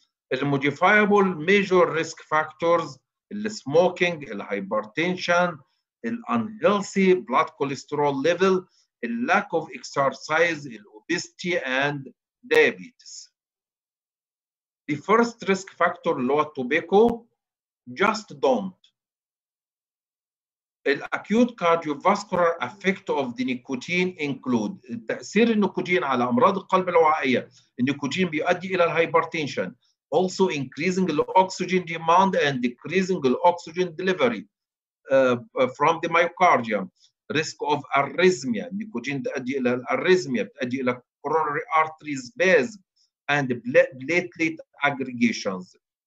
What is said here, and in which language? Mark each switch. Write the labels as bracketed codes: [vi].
[en] the modifiable major risk factors, smoking, hypertension, unhealthy blood cholesterol level, a lack of exercise, obesity, and diabetes. The first risk factor, low tobacco, just don't. The acute cardiovascular effect of the nicotine include [ar] تأثير النيكوتين على أمراض القلب الوعائية. النيكوتين بيؤدي إلى الهايبرتنشن. [en] Also increasing the oxygen demand and decreasing the oxygen delivery from the myocardium. Risk of arrhythmia, nicotine [ar] تؤدي إلى [en] arrhythmia, [ar] تؤدي إلى [en] coronary arteries spasm and platelet aggregations.